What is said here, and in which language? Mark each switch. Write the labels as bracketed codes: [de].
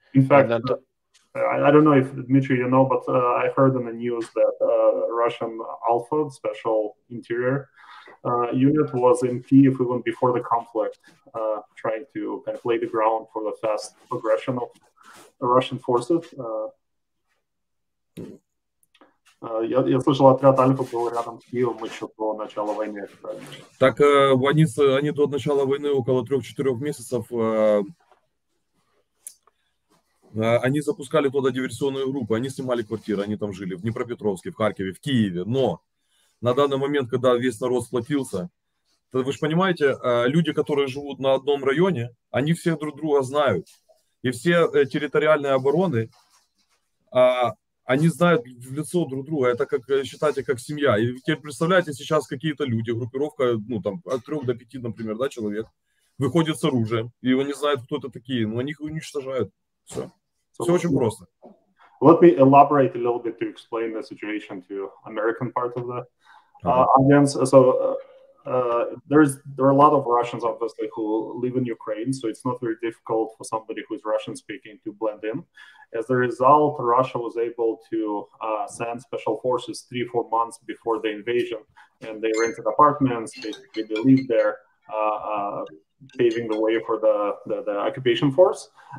[en] In fact, I don't know if Dmitry, you know, but I heard in the news that Russian Alpha, Special Interior Unit, was in Kyiv even before the conflict, trying to kind of lay the ground for the fast progression of Russian forces. [ru] Я слышал, отряд Альфа был рядом с Киевом еще до начала войны. Так они до начала войны около 3-4 месяцев они запускали туда диверсионную группу, они снимали квартиры, они там жили, в Днепропетровске, в Харькове, в Киеве. Но на данный момент, когда весь народ сплотился, то, вы же понимаете, люди, которые живут на одном районе, они все друг друга знают. И все территориальные обороны... Они знают в лицо друг друга, это как, считайте, как семья. И теперь представляете, сейчас какие-то люди, группировка, ну, там, от 3 до 5, например, да, человек, выходит с оружием, и он не знает, кто это такие, но они их уничтожают. Все. Все очень просто. [en] Let me elaborate a little bit to explain the situation to American part of the audience. So, there are a lot of Russians, obviously, who live in Ukraine, so it's not very difficult for somebody who is Russian-speaking to blend in. As a result, Russia was able to send special forces 3-4 months before the invasion, and they rented apartments, basically they live there, paving the way for the occupation force.